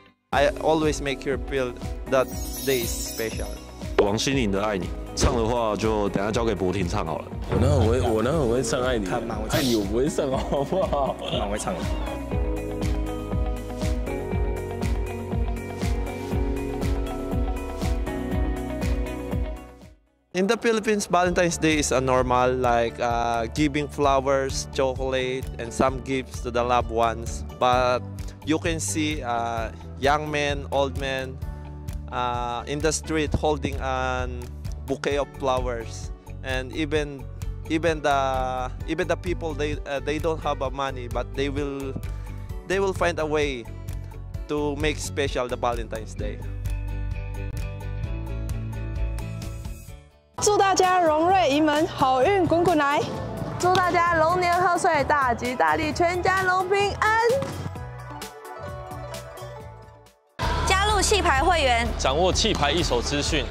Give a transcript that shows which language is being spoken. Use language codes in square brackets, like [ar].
[en] I always make you feel that day is special。 [zh] 王心凌的爱你，唱的话就等下交给博婷唱好了。我呢很会唱爱你，他蛮会唱，爱你我不会唱好不好？蛮会唱的。 [en] In the Philippines, Valentine's Day is a normal, like giving flowers, chocolate, and some gifts to the loved ones. But you can see young men, old men in the street holding a bouquet of flowers. And even the people, they don't have money, but they will find a way to make special the Valentine's Day. [zh] 祝大家荣瑞盈门，好运滚滚来！祝大家龙年贺岁，大吉大利，全家龙平安！加入企排会员，掌握企排一手资讯，